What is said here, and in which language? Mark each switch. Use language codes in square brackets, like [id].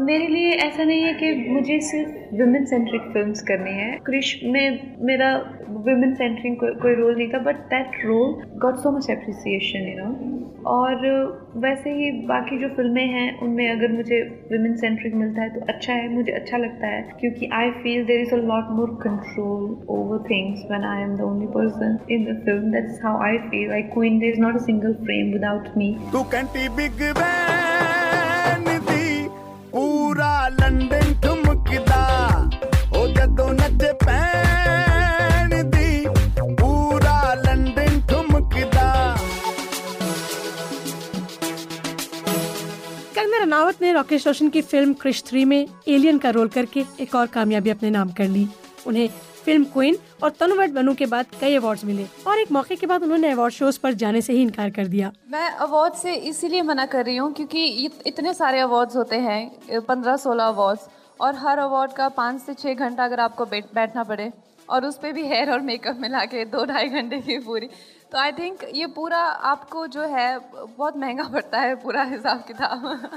[ur] میرے لیے ایسا نہیں ہے کہ مجھے صرف ویمن سینٹرک فلمز کرنی ہے۔ کرش میں میرا ویمن سینٹرک کوئی رول نہیں تھا، [en] but that role got so much appreciation, you know, [ur] اور ویسے ہی باقی جو فلمیں ہیں ان میں اگر مجھے ویمن سینٹرک ملتا ہے تو اچھا ہے, مجھے اچھا لگتا ہے کیونکہ [en] I feel there is a lot more control over things when I am the only person in the film. That's how I feel like Queen, there is not a single frame without me. [pa] To Canty big بین دی پورا لندن ٹھمکدا او جدو نچے pain دی پورا London ٹھمکدا. [ur] کنگنا رناوت نے راکیش روشن کی film کرش 3 میں alien کا role کر کے ایک اور کامیابی اپنے نام کر لی. انہیں فلم کوئن اور تنو بھٹ بنو کے بعد کئی ایوارڈز ملے اور ایک موقع کے بعد انہوں نے ایوارڈ شوز پر جانے سے ہی انکار کر دیا. میں ایوارڈ سے اسی لیے منع کر رہی ہوں کیونکہ اتنے سارے ایوارڈز ہوتے ہیں, 15-16 ایوارڈز, اور ہر ایوارڈ کا 5-6 گھنٹہ اگر آپ کو بیٹھنا پڑے اور اس پہ بھی ہیئر اور میک اپ ملا کے 2-2.5 گھنٹے کی پوری, تو [en] I think [ur] یہ پورا آپ کو جو ہے بہت مہنگا پڑتا ہے پورا حساب کتاب.